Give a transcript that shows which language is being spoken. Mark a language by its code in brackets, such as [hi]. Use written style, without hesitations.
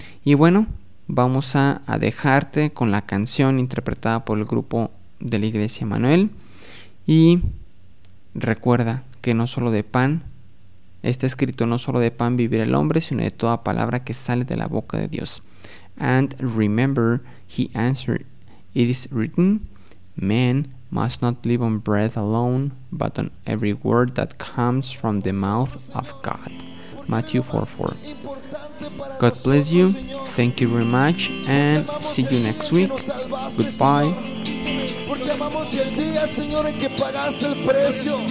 [es] Y bueno, vamos a dejarte con la canción interpretada por el grupo de la Iglesia Emanuel. Y recuerda que no solo de pan, está escrito, no solo de pan vivirá el hombre, sino de toda palabra que sale de la boca de Dios. [en] And remember, he answered, it is written, man must not live on bread alone, but on every word that comes from the mouth of God. Matthew 4:4. God bless you, thank you very much, and see you next week. Goodbye. [es] Porque amamos el día, Señor, en que pagaste el precio.